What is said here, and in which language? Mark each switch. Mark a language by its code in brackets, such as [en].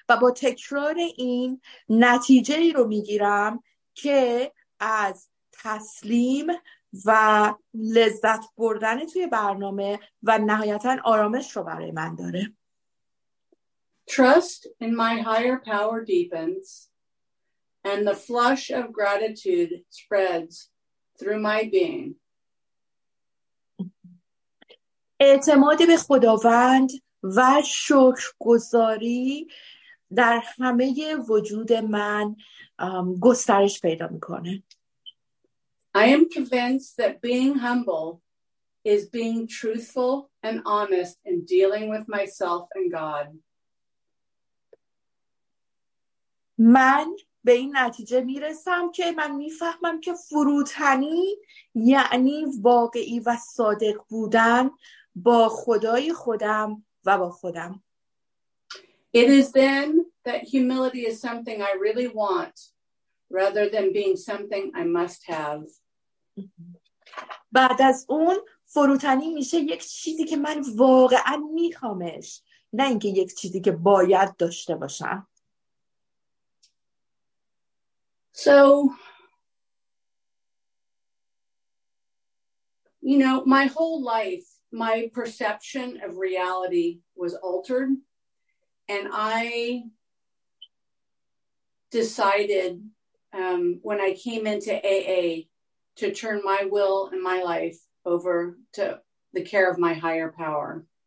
[fa] تکرار این نتیجه ای رو میگیرم که از تسلیم و لذت بردن توی برنامه و نهایتاً آرامش رو برای من داره. [en] Trust in my higher power deepens and the flush of gratitude spreads through my being. [fa] اعتماد به خداوند و شکرگزاری در همه وجود من گسترش پیدا میکنه. [en] I am convinced that being humble is being truthful and honest in dealing with myself and God. [fa] من به این نتیجه میرسم که من میفهمم که فروتنی یعنی واقعی و صادق بودن با خدای خودم و با خودم. [en] It is then that humility is something I really want rather than being something I must have. [fa] بعد از اون فروتنی میشه یک چیزی که من واقعا میخوامش، نه اینکه یک چیزی که باید داشته باشم. [en] So you know, my whole life my perception of reality was altered and I decided when I came into AA to turn my will and my life over to the care of my higher power.